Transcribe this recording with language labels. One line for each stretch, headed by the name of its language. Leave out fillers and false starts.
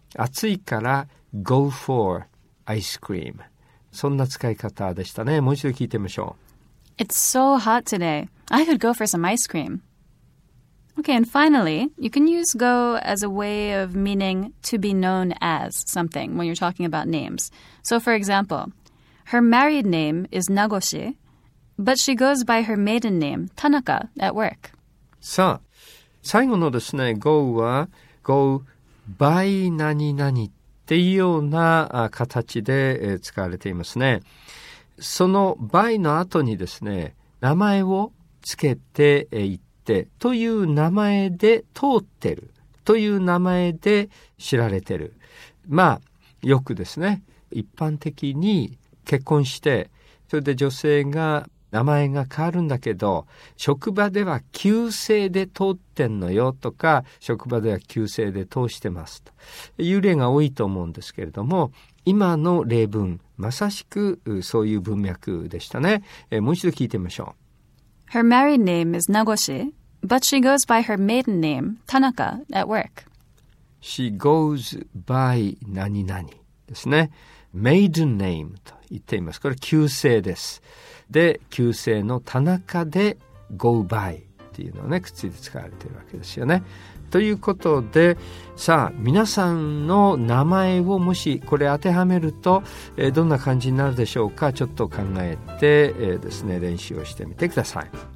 Japanese: 暑いから
English: go for ice cream、
Japanese: そんな使い方でしたね。もう一度聞いてみましょう。
English: It's so hot today, I could go for some ice cream. Okay, and finally, you can use go as a way of meaning to be known as something when you're talking about names. So for example, her married name is Nagoshi, but she goes by her maiden name Tanaka at work.
Japanese: さあ、最後のですね、go は go by 何々っていうような形で使われていますね。その by の後にですね、名前をつけていってという名前で通ってるという名前で知られてる。まあ、よくですね、一般的に結婚して、それで女性が名前が変わるんだけど、職場では旧姓で通ってんのよとか、職場では旧姓で通してますという例が多いと思うんですけれども、今の例文まさしくそういう文脈でしたね。もう一度聞いてみましょう。
English: Her married name is Nagoshi, but she goes by her maiden name Tanaka at work. She goes by
Japanese: 何々ですね。 Maiden name と言っています。これ旧姓です。で、旧姓の田中で go by っていうのをね、くっついて使われているわけですよね。ということで、さあ、皆さんの名前をもしこれ当てはめると、どんな感じになるでしょうか。ちょっと考えて、ですね、練習をしてみてください。